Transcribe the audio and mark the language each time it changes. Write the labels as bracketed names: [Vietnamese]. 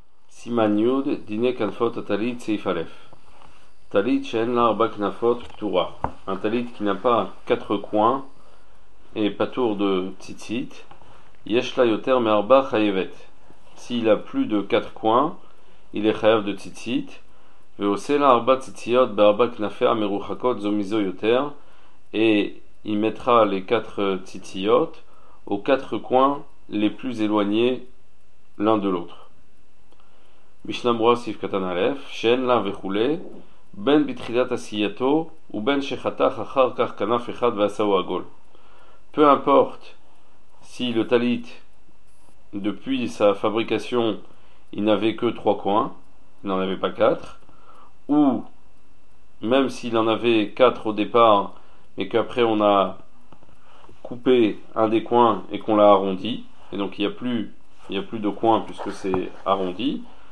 [Hebrew] סימן י' דיני כנפות הטלית סעיף א'. טלית שאין לה ארבע כנפות פטורה. [French] Un טלית qui n'a pas quatre coins et פטור de tzitzit, [Hebrew] יש לה יותר מארבע חייבת. [French] S'il a plus de quatre coins, il est חייב de tzitzit, [Hebrew] ועושה לה ארבע ציציות בארבע כנפיה מרוחקות זו מזו יותר, [French] et il mettra les quatre tzitziot aux quatre coins les plus éloignés l'un de l'autre. [Hebrew] משנה ברורה סעיף קטן א', שאין לה וכו', בין בתחילת עשייתו ובין שחתך אחר כך כנף אחד ועשהו עגול. [French] Peu importe si le talit, depuis sa fabrication, il n'avait que trois coins, il n'en avait pas quatre, ou même s'il en avait quatre au départ, mais qu'après on a coupé un des coins et qu'on l'a arrondi, et donc il n'y a plus de coins puisque c'est arrondi.